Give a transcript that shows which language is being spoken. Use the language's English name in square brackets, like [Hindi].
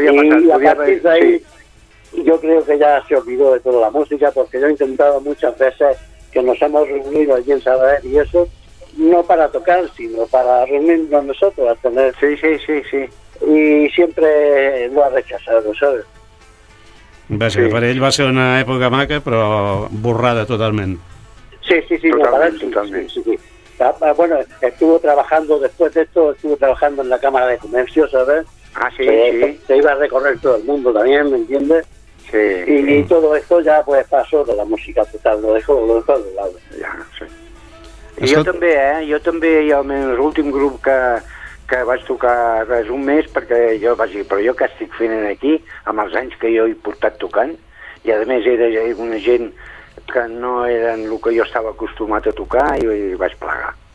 [Spanish] y a partir de ahí, sí. Yo creo que ya se olvidó de toda la música, porque yo he intentado muchas veces que nos hemos reunido allí en Sabadell y eso... No para tocar, sino para reunirnos nosotros, a tener... Sí, sí, sí, sí. Y siempre lo ha rechazado, ¿sabes? [Catalan] Va ser, sí. Per ell va ser una època maca, però borrada totalment. Sí, sí, sí, totalment, [Spanish] no, para él, [Catalan] totalment. [Spanish] Sí, sí, sí. Bueno, estuvo trabajando después de esto, estuvo trabajando en la Cámara de Comercio, ¿sabes? Ah, sí, sí. Se iba a recorrer todo el mundo también, ¿me entiendes? Sí. Y todo esto ya pues pasó de la música total, lo dejó de lado. Ya, sí. [Catalan] Escolta. Jo també, i almenys l'últim grup que vaig tocar res un mes, perquè jo vaig dir, però jo què estic fent aquí, amb els anys que jo he portat tocant, i a més era una gent que no eren el que jo estava acostumat a tocar, i vaig plegar.